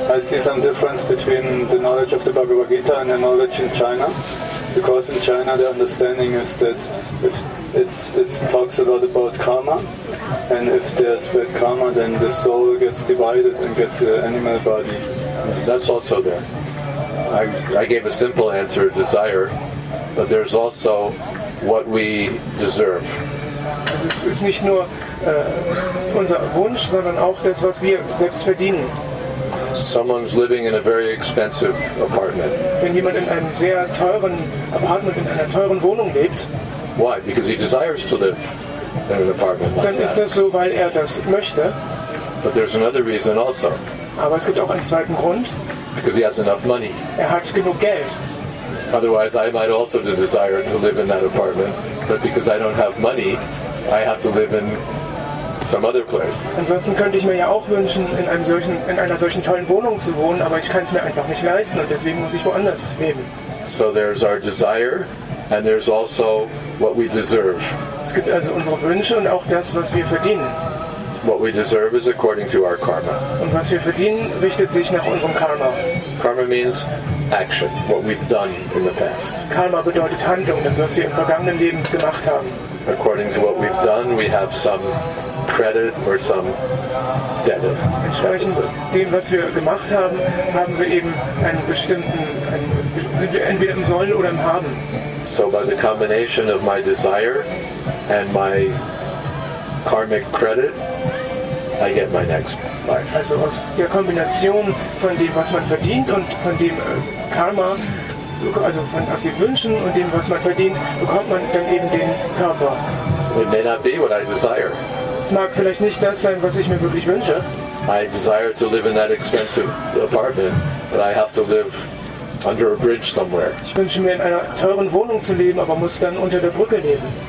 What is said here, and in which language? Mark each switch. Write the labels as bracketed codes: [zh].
[en] I see some difference between the knowledge of the Bhagavad Gita and the knowledge in China, because in China the understanding is that if it talks a lot about karma, and if there's bad karma, then the soul gets divided and gets an animal body. That's also there. I gave a simple answer, desire, but there's also what we deserve. [de] Also es ist nicht nur unser Wunsch, sondern auch das, was wir selbst verdienen. [en] Someone's living in a very expensive apartment. [de] Wenn jemand in einem sehr teuren Apartment, in einer teuren Wohnung lebt, [en] why? Because he desires to live in an apartment like [de] dann [en] that. [de] Ist das so, weil das möchte. [en] But there's another reason also. [de] Aber es gibt auch einen zweiten Grund. [en] Because he has enough money. [de] Hat genug Geld. [en] Otherwise, I might also desire to live in that apartment, but because I don't have money, I have to live in some other place. [de] Ansonsten könnte ich mir ja auch wünschen, in einer solchen tollen Wohnung zu wohnen, aber ich kann es mir einfach nicht leisten und deswegen muss ich woanders leben. [en] So there's our desire and there's also what we deserve. [de] Es gibt also unsere Wünsche und auch das, was wir verdienen. [en] What we deserve is according to our karma. [de] Und was wir verdienen, richtet sich nach unserem Karma. [en] Karma means action, what we've done in the past. [de] Karma bedeutet Handlung, das, was wir im vergangenen Leben gemacht haben. [en] According to what we've done, we have some credit or some debt. [de] Entsprechend dem, was wir gemacht haben, haben wir eben einen bestimmten, sind wir entweder im Sollen oder im Haben. [en] So by the combination of my desire and my karmic credit, I get my next life. [de] Also aus der Kombination von dem, was man verdient und von dem Karma, also von was sie wünschen und dem, was man verdient, bekommt man dann eben den Körper. [en] It may not be what I desire. [de] Es mag vielleicht nicht das sein, was ich mir wirklich wünsche. [en] I desire to live in that expensive apartment, but I have to live under a bridge somewhere. [de] Ich wünsche mir, in einer teuren Wohnung zu leben, aber muss dann unter der Brücke leben.